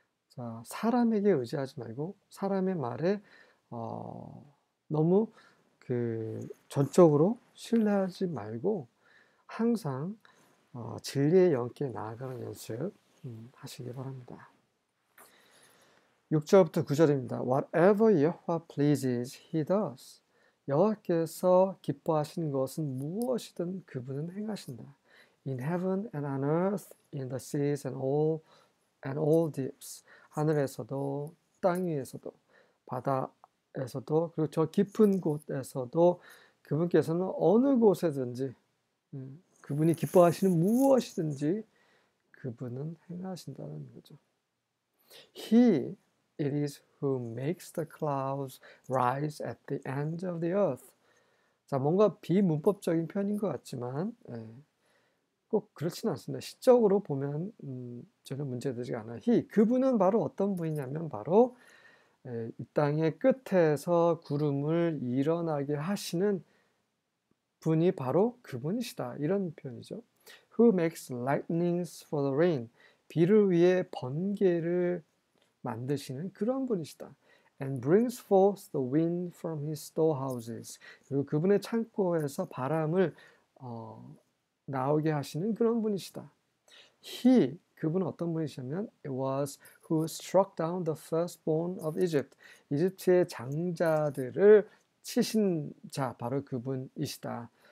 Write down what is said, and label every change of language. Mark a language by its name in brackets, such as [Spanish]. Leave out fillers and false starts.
[Korean] 자, 사람에게 의지하지 말고 사람의 말에 너무 그 전적으로 신뢰하지 말고 항상 진리의 영께 나아가는 연습 하시기 바랍니다. 6절부터 9절입니다. [English] Whatever Yahweh pleases, He does. [Korean] 여호와께서 기뻐하시는 것은 무엇이든 그분은 행하신다. [English] In heaven and on earth, in the seas and all deeps. [Korean] 하늘에서도 땅 위에서도 바다에서도 그리고 저 깊은 곳에서도 그분께서는 어느 곳에든지 그분이 기뻐하시는 무엇이든지 그분은 행하신다는 거죠. [English] It is who makes the clouds rise at the end of the earth. [Korean] 자, 뭔가 비문법적인 표현인 것 같지만 꼭 그렇진 않습니다. 시적으로 보면 전혀 문제되지 않아요. 그분은 바로 어떤 분이냐면 바로 이 땅의 끝에서 구름을 일어나게 하시는 분이 바로 그분이시다. 이런 표현이죠. [English] Who makes lightnings for the rain. [Korean] 비를 위해 번개를 만드시는 그런 분이시다. [English] And brings forth the wind from his storehouses. [Korean] 그리고 그분의 창고에서 바람을 나오게 하시는 그런 분이시다. [English] He, [Korean] 그분은 어떤 분이시냐면 [English] It was who struck down the firstborn of Egypt. [Korean] 이집트의 장자들을 치신 자, 바로 그분이시다.